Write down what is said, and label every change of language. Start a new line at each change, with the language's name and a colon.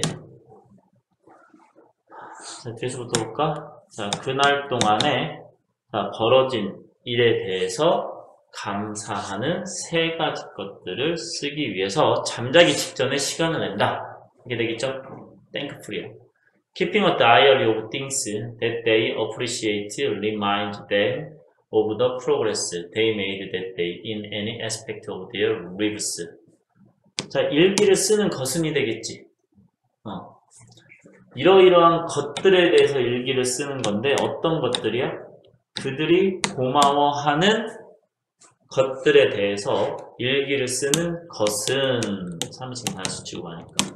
Korean: 자, 뒤에서부터 볼까? 자, 그날 동안에 자, 벌어진 일에 대해서 감사하는 세 가지 것들을 쓰기 위해서 잠자기 직전에 시간을 낸다. 이게 되겠죠? thankful이요.
English: Keeping a diary of things that they appreciate reminds them of the progress they made that day in any aspect of their lives.
Korean: 자, 일기를 쓰는 것은이 되겠지. 이러이러한 것들에 대해서 일기를 쓰는 건데, 어떤 것들이야? 그들이 고마워하는 것들에 대해서 일기를 쓰는 것은, 3식 단수치고 하니까.